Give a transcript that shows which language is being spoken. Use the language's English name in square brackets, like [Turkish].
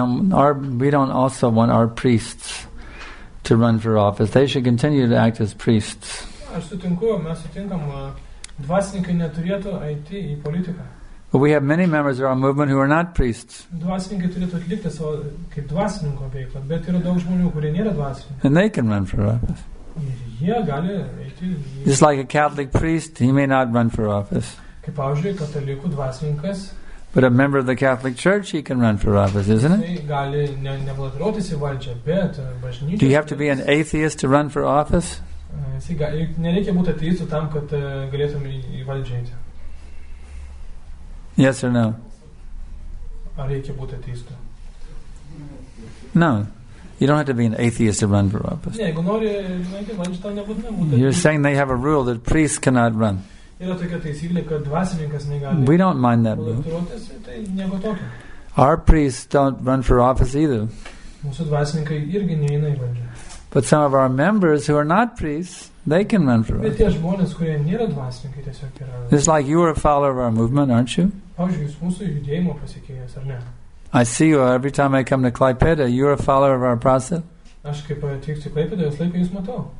[English] we don't also want our priests to run for office. They should continue to act as priests. [Lithuanian] Aš sutinku, mes sutinkam, dvasininkai neturėtų eiti į politiką. [English] But we have many members of our movement who are not priests. [Lithuanian] Dvasininkai turėtų atlikti savo kaip dvasininko veiklą, bet yra daug žmonių, kurie nėra dvasininkai. [English] And they can run for office. [Lithuanian] Jie gali eiti [English] į... Just like a Catholic priest, he may not run for office. [Lithuanian] Kaip pavyzdžiui, katalikų dvasininkas. [English] But a member of the Catholic Church, he can run for office, isn't it? [Lithuanian] Gali nebalotiruotis į valdžią, bet bažnyčia... [English] Do you have to be an atheist to run for office? [Lithuanian] Nereikia būti ateistu tam, kad galėtum į valdžią eiti. [English] Yes or no? [Lithuanian] Ar reikia būti ateistu? [English] No. You don't have to be an atheist to run for office. [Lithuanian] Ne, jeigu nori eiti į valdžią, tau nebūtinai būti ateistu. [English] You're saying they have a rule that priests cannot run. [Lithuanian] Yra tokia taisyklė, kad dvasininkas negali. [English] We don't mind that rule. [Lithuanian] Turėtis, tai nieko tokio. [English] Our priests don't run for office either. [Lithuanian] Mūsų dvasininkai irgi neina į valdžią. [English] But some of our members who are not priests, they can run for office. [Lithuanian] Tie žmonės, kurie nėra dvasininkai, tiesiog yra. [English] It's like you are a follower of our movement, aren't you? [Lithuanian] Pavyzdžiui, jūs mūsų judėjimo pasiekėjas, ar ne? [English] I see you every time I come to Klaipėda. You are a follower of our process? [Lithuanian] Aš kaip atvykstu į Klaipėdą, visą laiką jūs matau.